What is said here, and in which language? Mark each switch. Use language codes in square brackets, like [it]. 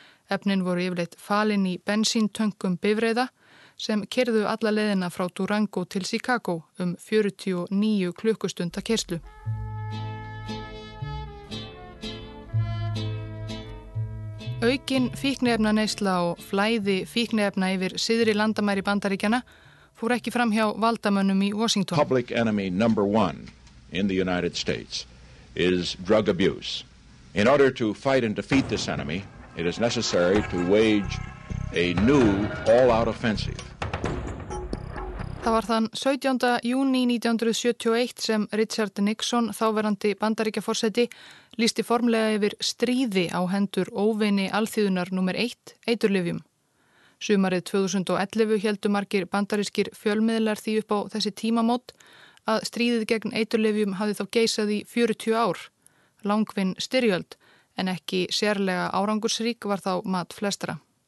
[is] Efnin voru yfirleitt falin í bensíntöngum bifreiða sem kyrðu alla leiðina frá Durango til Chicago 49 klukkustunda keyrslu. Aukin fíkniefnaneysla og flæði fíkniefna yfir syðri landamæri Bandaríkjana fór ekki fram hjá valdamönnum í Washington. [en] Public enemy number one in the United States is drug abuse. In order to fight and defeat this enemy, it is necessary to wage a new all-out offensive. [is] Það var þann 17. júní 1971 sem Richard Nixon, þáverandi bandaríkjaforseti, lýsti formlega yfir stríði á hendur óvini alþýðunar nr. 1, eiturlyfjum. Sumarið 2011 héldu margir bandarískir fjölmiðlar því upp á þessi tímamót að stríðið gegn eiturlyfjum hafði þá geisað í 40 ár, langvinn styrjöld, en ekki sérlega árangursrík var þá mat flestra.